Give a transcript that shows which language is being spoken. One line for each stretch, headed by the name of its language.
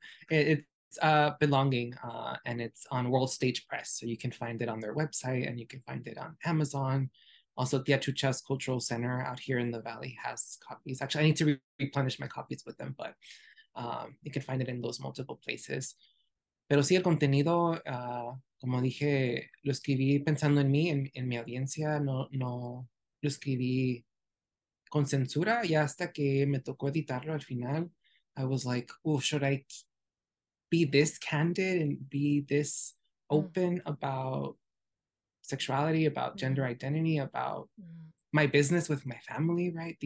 English: it's Belonging, and it's on World Stage Press. So you can find it on their website and you can find it on Amazon. Also, Tia Chucha's Cultural Center out here in the Valley has copies. Actually, I need to replenish my copies with them, but you can find it in those multiple places.
Spanish: Pero sí, el contenido, como dije, lo escribí pensando en mí, en mi audiencia. No lo escribí con censura. Y hasta que me tocó editarlo al final,
English: I was like, oh, should I be this candid and be this open about sexuality, about gender identity, about my business with my family, right?